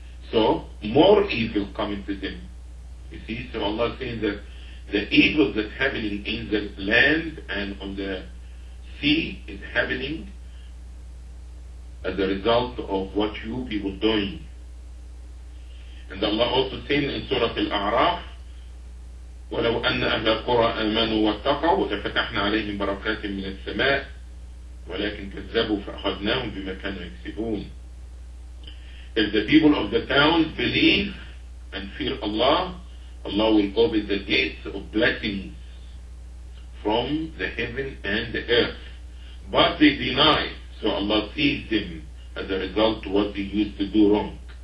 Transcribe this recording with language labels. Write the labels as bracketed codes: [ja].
[en] So more evil coming to them. You see, so Allah saying that the evil that's happening in the land and on the sea is happening as a result of what you people are doing. [ar] And Allah also saying in Surah Al-A'raf, وَلَوْ أَنَّ أَهْلَ الْقُرَىٰ أَمَنُوا وَاتَّقَوْا لَفَتَحْنَا عَلَيْهِمْ بَرَكَاتٍ مِنَ السَّمَاءِ وَلَكِنْ كَذَّبُوا فَأَخَذْنَاهُمْ بِمَا كَانُوا يَكْسِبُونَ. [en] If the people of the town believe and fear Allah, Allah will open the gates of blessings from the heaven and the earth. But they deny, so Allah sees them as a result of what they used to do wrong.